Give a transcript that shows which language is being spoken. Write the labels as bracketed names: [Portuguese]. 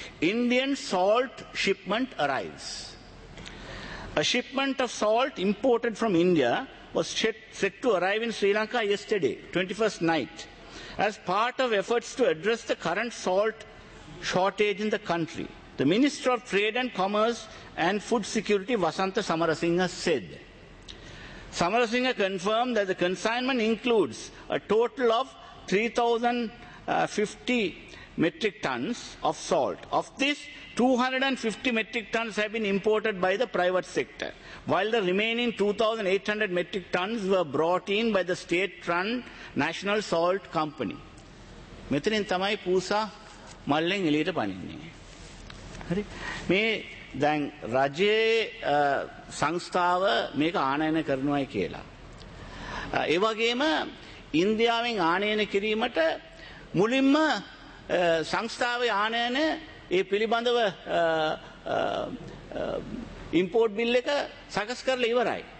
[English] Indian salt shipment arrives. A shipment of salt imported from India was set to arrive in Sri Lanka yesterday, 21st night, as part of efforts to address the current salt shortage in the country. The Minister of Trade and Commerce and Food Security, Vasanta Samarasinghe, said. Samarasinghe confirmed that the consignment includes a total of 3,050 metric tons of salt. Of this, 250 metric tons have been imported by the private sector, while the remaining 2,800 metric tons were brought in by the state-run National Salt Company. [Sinhala] මෙතනින් තමයි පූසා මල්ලෙන් එළියට පනින්නේ. හරි. මේ දැන් රජයේ සංස්ථාව මේක ආනයන කරනවායි කියලා. ඒ වගේම ඉන්දියාවෙන් ආනයන කිරීමට මුලින්ම සංස්ථාවේ ආනයන ඒ පිළිබඳව ඉම්පෝර්ට් බිල් එක සකස් කරලා ඉවරයි.